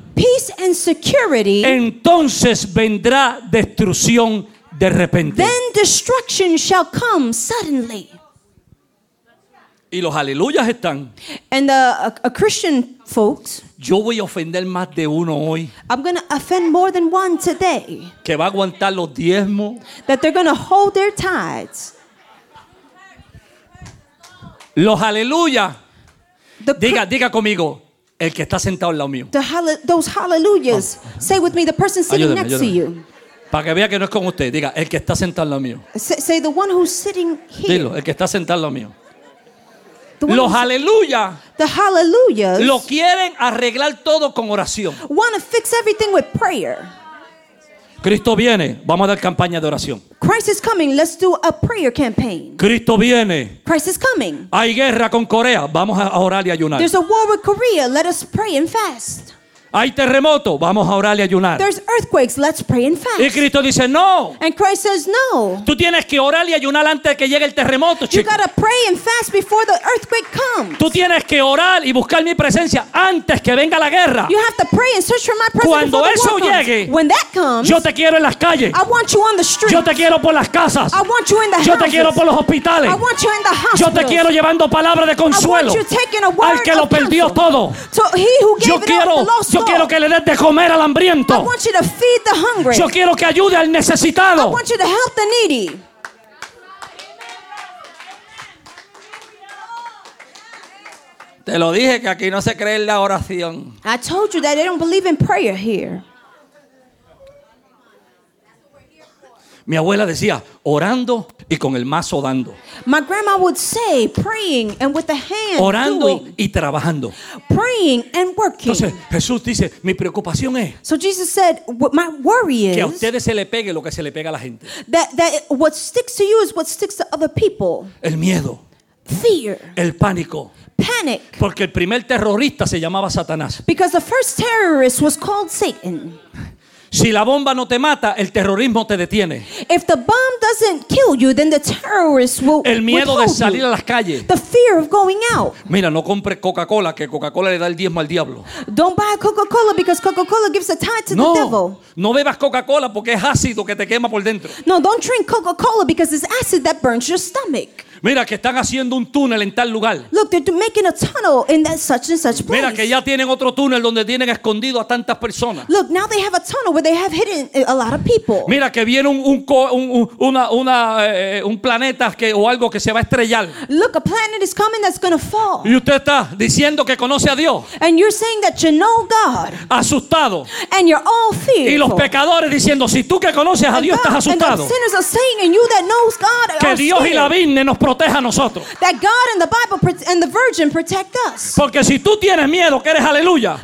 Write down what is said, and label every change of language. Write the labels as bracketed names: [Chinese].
[English] peace and security, [Spanish] entonces vendrá destrucción de repente. [English] Then destruction shall come suddenly. [Spanish] Y los aleluyas están. [English] And the Christian folks, [Spanish] yo voy a ofender más de uno hoy. [English] I'm going to offend more than one today. [Spanish] Que va a aguantar los diezmos. [English] That they're going to hold their tithes. [Spanish] Los aleluyas. Diga conmigo, el que está sentado al lado mío. [English] Those hallelujahs. Say with me, the person sitting [Spanish] ayúdeme [English] to you. [Spanish] Para que vea que no es con usted. Diga, el que está sentado al lado mío. [English] Say the one who's sitting here. [Spanish] Dilo, el que está sentado al lado mío. Los aleluya. [English] The hallelujahs. [Spanish] Lo quieren arreglar todo con oración. [English] Want to fix everything with prayer. [Spanish] Cristo viene, vamos a dar campaña de oración. [English] Christ is coming, let's do a prayer campaign. [Spanish] Cristo viene. [English] Christ is coming. [Spanish] Hay guerra con Corea, vamos a orar y ayunar. [English] There's a war with Korea, let us pray and fast. [Spanish] Hay terremoto, vamos a orar y ayunar. [English] There's earthquakes, let's pray and fast. [Spanish] Y Cristo dice no. [English] And Christ says no. [Spanish] Tú tienes que orar y ayunar antes de que llegue el terremoto, chico. [English] You gotta pray and fast before the earthquake comes. [Spanish] Tú tienes que orar y buscar mi presencia antes que venga la guerra. [English] You have to pray and search for my presence. [Spanish] Cuando [English] before [Spanish] eso [English] the war [Spanish] llegue, [English] comes. When that comes, [Spanish] yo te quiero en las calles. [English] I want you on the streets. [Spanish] Yo te quiero por las casas. [English] I want you in the [Spanish] yo [English] houses. [Spanish] Te quiero por los hospitales. [English] I want you in the hospitals. [Spanish] Yo te quiero llevando palabra de consuelo. [English] I want you taking a word [Spanish] al que lo perdió [English] counsel. [Spanish] Todo. [English] So he who gave [Spanish] yo [English] it [Spanish] quiero, [English] up, the lost [Spanish] yo quiero que le des de comer al hambriento. [English] I want you to feed the hungry. [Spanish] Yo quiero que ayude al necesitado. [English] I want you to help the needy. [Spanish] Te lo dije que aquí no se cree en la oración. [English] I told you that they don't believe in prayer here. [Spanish] Mi abuela decía, orando y con el mazo dando. [English] My grandma would say, praying and with the hand [Spanish] orando [English] doing. [Spanish] Y trabajando. [English] Praying and working. [Spanish] Entonces, Jesús dice, mi preocupación es [English] so Jesus said, what my worry is [Spanish] que a ustedes se le pegue lo que se le pega a la gente. [English] That what sticks to you is what sticks to other people. [Spanish] El miedo. [English] Fear. [Spanish] El pánico. [English] Panic. [Spanish] Porque el primer terrorista se llamaba Satanás. [English] Because the first terrorist was called Satan. [Spanish] Si la bomba no te mata, el terrorismo te detiene. [English] If the bomb doesn't kill you, then the terrorists will [Spanish] el miedo de salir a las calles. [English] The fear of going out. [Spanish] Mira, no compres Coca-Cola, que Coca-Cola le da el diezmo al diablo. [English] Don't buy a Coca-Cola because Coca-Cola gives a tithe to [Spanish] no, [English] the devil. [Spanish] No bebas Coca-Cola porque es ácido que te quema por dentro. [English] No, don't drink Coca-Cola because it's acid that burns your stomach. [Spanish] Mira que están haciendo un túnel en tal lugar. [English] Look, they're making a tunnel in that such and such place. [Spanish] Mira que ya tienen otro túnel donde tienen escondido a tantas personas. [English] Look, now they have a tunnel where they have hidden a lot of people. [Spanish] Mira que viene un planeta que o algo que se va a estrellar. [English] Look, a planet is coming that's going to fall. [Spanish] Y usted está diciendo que conoce a Dios. [English] And you're saying that you know God. [Spanish] Asustado. [English] And you're all fearful. [Spanish] Y los pecadores diciendo, si tú que conoces a Dios estás asustado. [English] And the sinners are saying, and you that knows God [Spanish] que Dios y la Virgen nos proteja a nosotros. [English] That God and the Bible and the Virgin protect us. [Spanish] Porque si tú tienes miedo, que eres aleluya.